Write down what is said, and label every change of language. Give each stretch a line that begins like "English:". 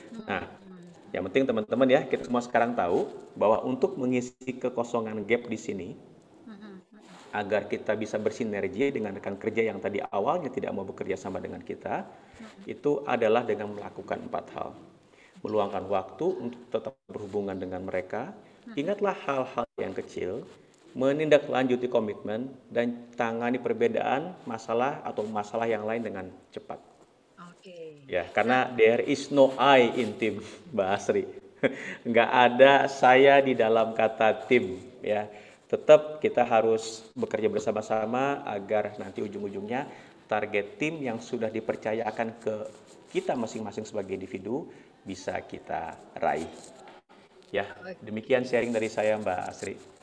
Indonesian: Nah, yang penting teman-teman ya, kita semua sekarang tahu bahwa untuk mengisi kekosongan gap di sini, agar kita bisa bersinergi dengan rekan kerja yang tadi awalnya tidak mau bekerja sama dengan kita, itu adalah dengan melakukan empat hal. Meluangkan waktu untuk tetap berhubungan dengan mereka, ingatlah hal-hal yang kecil, menindaklanjuti komitmen, dan tangani perbedaan masalah atau masalah yang lain dengan cepat.
English: Okay. Ya, karena there is no I in team, Mbak Asri.
Indonesian: Nggak ada saya di dalam kata tim, ya. Tetap kita harus bekerja bersama-sama agar nanti ujung-ujungnya target tim yang sudah dipercayakan ke kita masing-masing sebagai individu bisa kita raih. Ya, demikian sharing dari saya, Mbak Asri.